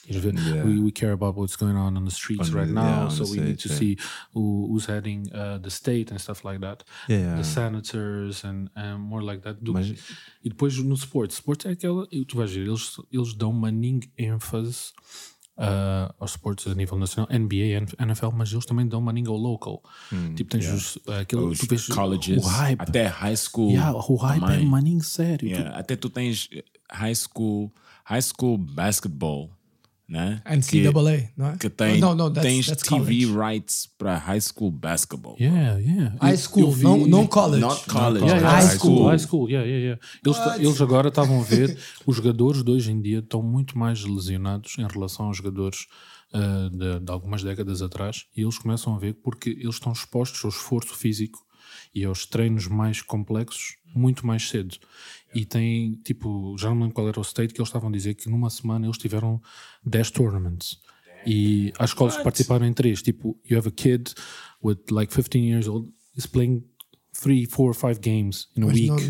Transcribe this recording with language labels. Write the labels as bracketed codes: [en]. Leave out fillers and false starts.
[en] We care about what's going on the streets right now, so we need to see who's heading the state and stuff like that. Yeah. The senators and more like that. [pt] E depois no sport é aquela, tu vais ver, eles dão uma ênfase aos esportes a nível nacional, NBA, NFL, mas eles também dão money ao local. Tipo, tens os colleges, o hype. Até high school. Yeah, o hype é money sério. Yeah, até tu tens high school basketball, né? NCAA, não é? Que tem, tens TV rights para high school basketball. [en] Yeah. [pt] High school, não college. [en] Not college. High school. [pt] Eles agora estavam a ver, os jogadores de hoje em dia estão muito mais lesionados em relação aos jogadores de algumas décadas atrás, e eles começam a ver porque eles estão expostos ao esforço físico e aos treinos mais complexos muito mais cedo. E tem, tipo, já não me lembro qual era o state, que eles estavam a dizer que numa semana eles tiveram 10 tournaments. E as escolas participaram em 3. [en] Tipo, you have a kid with like 15 years old is playing 3, 4, 5 games in a week.